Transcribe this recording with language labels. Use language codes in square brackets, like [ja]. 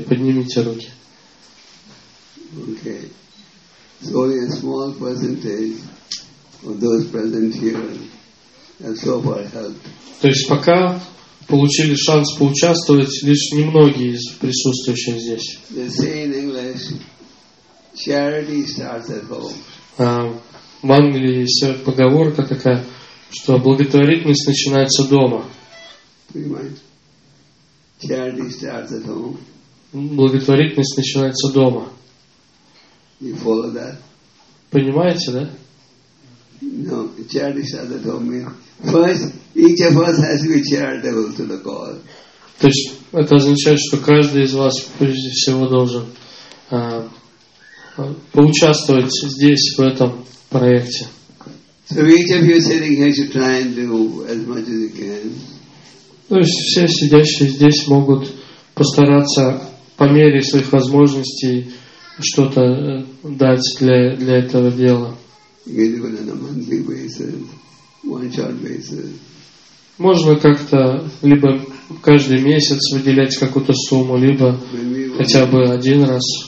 [ru] Поднимите руки. [en] Okay. So only a small percentage of those present here have so far helped. [ru] То есть пока получили шанс поучаствовать лишь немногие из присутствующих здесь. [en] They say in English, charity starts at home. [ru] В Англии есть поговорка такая, что благотворительность начинается дома. [en] Charity starts at home. [ru] Благотворительность начинается дома. [en] You follow that? [ru] Понимаете, да? [en] No, charity starts at home. First, each of us has to be charitable to the cause. [ru] То есть это означает, что каждый из вас прежде всего должен поучаствовать здесь, в этом проекте. [en] So each of you sitting here should try and do as much as you can. [ru] То есть все сидящие здесь могут постараться по мере своих возможностей что-то дать для этого дела. Можно как-то либо каждый месяц выделять какую-то сумму, либо хотя бы один раз.